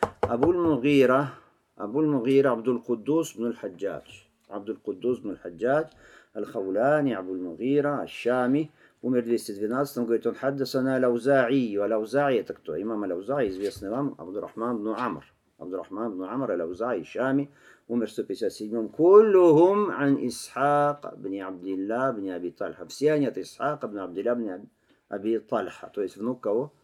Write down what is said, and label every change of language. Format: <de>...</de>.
<ru>Абуль-Мугира, Абдул-Мугира, Абдул-Куддус, Абдул-Хаджадж. Абдул-Куддус, Абдул-Хаджадж.</ru> <ar>الخولاني, عبد المغيرة, الشامي.</ar> <ru>Умер в 212, он говорит, он</ru> <ar>хаддасана лаузаи,</ar> <ru>а лаузаи это кто? Имам лаузаи, известный вам, Абдурахман ибн Амр. Абдурахман ибн Амр, лаузаи, Шами, умер в 157-м.</ru> <ar>Куллухум ан Исхак ибн Абдилла ибн Аби Тальха.</ar> <ru>Все они от Исхак ибн Абдилла ибн Аби Тальха. То есть внук кого?</ru>